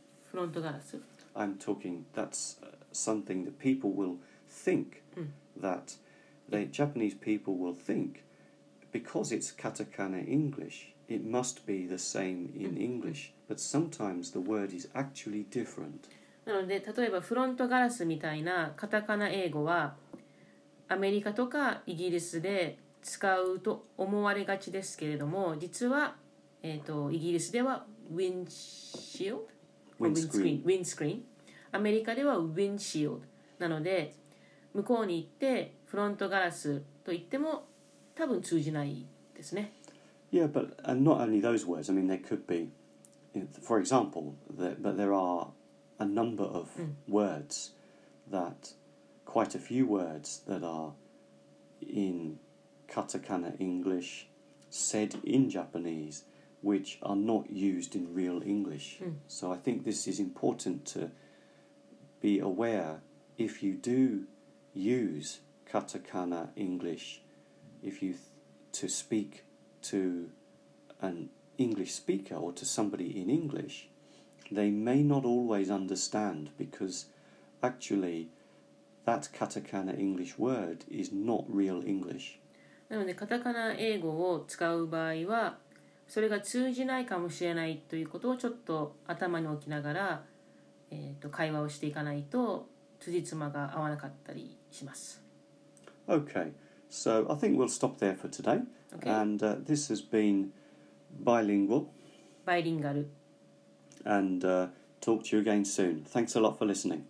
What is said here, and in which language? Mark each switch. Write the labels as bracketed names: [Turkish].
[Japanese] フロントガラス。 [English] I'm talking, that's something that people will think, that the Japanese people will think, because it's katakana English, it must be the same in English. But sometimes the word is actually different. [Japanese] なので、例えばフロントガラスみたいなカタカナ英語はアメリカとかイギリスで使うと思われがちですけれども、実は、イギリスではウィンシールド、ウィンスクリーン、アメリカではウィンシールド。なので、向こうに行ってフロントガラスと言っても多分通じないですね。 [English] Yeah, but and not only those words. I mean, there could be, for example, but there are a number of words that, quite a few words that are in katakana English said in Japanese, which are not used in real English. So I think this is important to be aware if you do use katakana English, if you to speak to an English speaker or to somebody in English, they may not always understand, because actually that katakana English word is not real English. [Japanese] なのでカタカナ英語を使う場合はそれが通じないかもしれないということをちょっと頭に置きながら、会話をしていかないと辻褄が合わなかったりします。 [English] Okay. So I think we'll stop there for today. Okay. And this has been Bilingual. Bilingual. And Talk to you again soon. Thanks a lot for listening.